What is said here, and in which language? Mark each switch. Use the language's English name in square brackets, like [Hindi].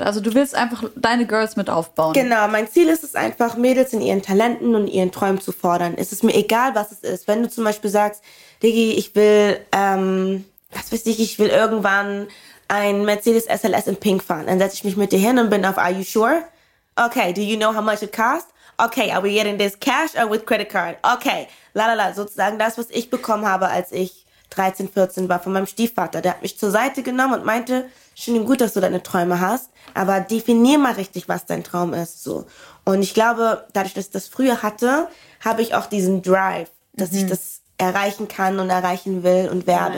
[German] Also du willst einfach deine Girls mit aufbauen? Genau, mein Ziel ist es einfach, Mädels in ihren Talenten und ihren Träumen zu fordern. Es ist mir egal, was es ist. Wenn du zum Beispiel sagst, Diggi, ich will, was weiß ich will irgendwann ein Mercedes SLS in Pink fahren. Dann setze ich mich mit dir hin und bin auf [English] Are you sure? Okay, do you know how much it costs? Okay, are we getting this cash or with credit card? [German] Okay, lalala, sozusagen das, was ich bekommen habe, als ich 13, 14 war von meinem Stiefvater. Der hat mich zur Seite genommen und meinte, schön und gut, dass du deine Träume hast, aber definier mal richtig, was dein Traum ist. So. Und ich glaube, dadurch, dass ich das früher hatte, habe ich auch diesen Drive, dass ich das erreichen kann und erreichen will und werde.